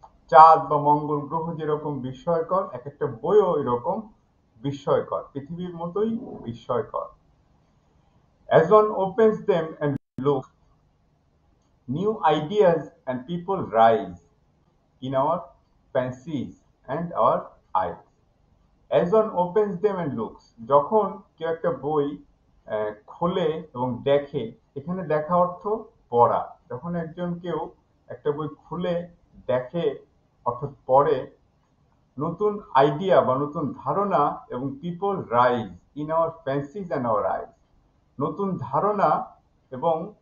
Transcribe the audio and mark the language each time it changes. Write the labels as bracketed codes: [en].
[bn] চাঁদ বা মঙ্গল গ্রহ যেরকম বিস্ময়কর, এক একটা বইও ওই রকম বিস্ময়কর, পৃথিবীর মতোই বিস্ময়কর। [en] As one opens them and looks, new ideas and people rise in our fancies and our eyes. As one opens them and looks, [bn] যখন কেউ একটা বই খোলে এবং দেখে, এখানে দেখা অর্থ পড়া, যখন একজন কেউ একটা বই খুলে দেখে অর্থাৎ পড়ে, নতুন আইডিয়া বা নতুন ধারণা এবং [en] people rise in our fancies and our eyes, [bn] নতুন ধারণা এবং